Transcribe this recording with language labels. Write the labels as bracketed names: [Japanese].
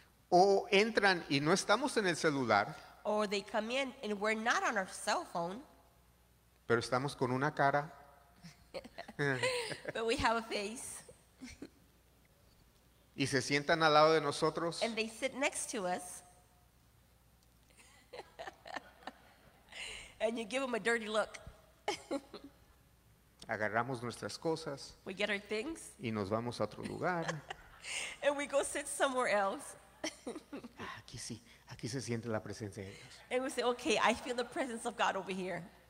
[Spanish] O entran y no estamos en el celular. [English] Or they come in and we're not on our cell phone. [Spanish] Pero estamos con una cara. [English] But we have a face. [Spanish] Y se sientan al lado de nosotros. [English] And they sit next to us. And you give them a dirty look. [Spanish] Agarramos nuestras cosas. [English] We get our things. [Spanish] Y nos vamos a otro lugar. [English] And we go sit somewhere else. [Spanish] Aquí sí, aquí se siente la presencia de Dios. [English] And we say, okay, I feel the presence of God over here.